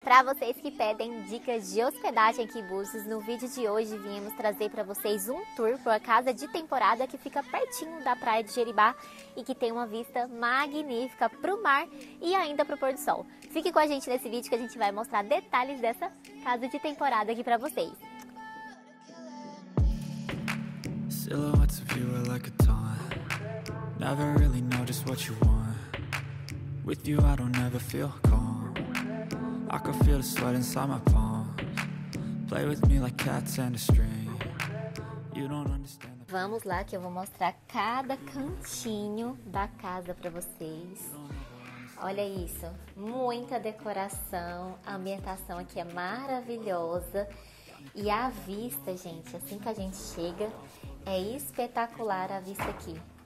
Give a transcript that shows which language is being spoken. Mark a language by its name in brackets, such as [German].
[Portuguese] Para vocês que pedem dicas de hospedagem aqui em Búzios, no vídeo de hoje viemos trazer para vocês um tour por uma casa de temporada que fica pertinho da praia de Jeribá e que tem uma vista magnífica para o mar e ainda para o pôr do sol. Fique com a gente nesse vídeo que a gente vai mostrar detalhes dessa casa de temporada aqui para vocês. [English] Silhouettes of you are like a taunt. Never really know just what you want. With you I don't ever feel calm. I can feel the sweat inside my palms. Play with me like cats and a string. You don't understand. [Portuguese] Vamos lá que eu vou mostrar cada cantinho da casa pra vocês. Olha isso, muita decoração, a ambientação aqui é maravilhosa. E a vista, gente, assim que a gente chega, é espetacular a vista aqui.